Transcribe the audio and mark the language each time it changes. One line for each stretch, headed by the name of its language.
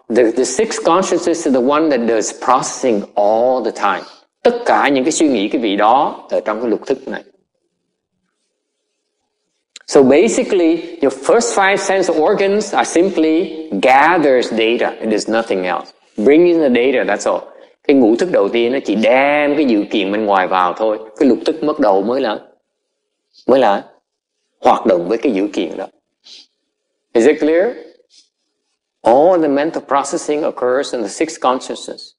English: The six consciousness is the one that does processing all the time.
Vietnamese: Tất cả những cái suy nghĩ cái vị đó ở trong cái lục thức này.
English: So basically, your first five sense organs are simply gathers data. It is nothing else. Bring in the data, that's all.
Vietnamese: Cái ngũ thức đầu tiên nó chỉ đem cái dự kiện bên ngoài vào thôi. Cái lục thức bắt đầu mới là hoạt động với cái dự kiện đó.
English: Is it clear? All the mental processing occurs in the sixth consciousness.